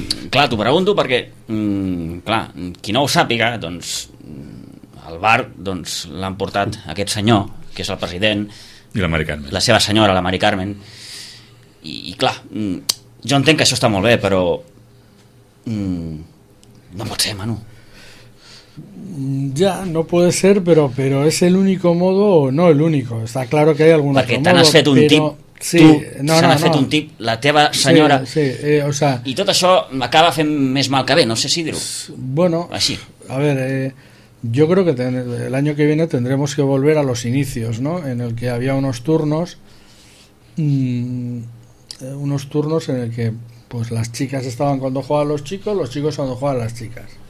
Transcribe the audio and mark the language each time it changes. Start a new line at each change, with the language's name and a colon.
Catalan: Clar, t'ho pregunto perquè, clar, qui no ho sàpiga, doncs el bar doncs l'han portat aquest senyor, que és el president, i la Mari Carmen. La seva senyora, la Mari Carmen. I clar, jo entenc que això està molt bé, però no pot ser, Manu.
Spanish: Ya, no puede ser, pero es el único modo, no el único. Está claro que hay algún
Catalan: perquè
Spanish: otro modo.
Catalan: Perquè t'han fet un tip. Sí, fet un tip, la teva senyora.
Spanish: Sí, sí, o sea,
Catalan: i tot això acaba fent més mal que bé, no sé si dir-ho.
Spanish: Bueno,
Catalan: així.
Spanish: A ver, yo creo que el año que viene tendremos que volver a los inicios, ¿no? En el que había unos turnos en el que pues las chicas estaban cuando jugaban los chicos cuando jugaban las chicas.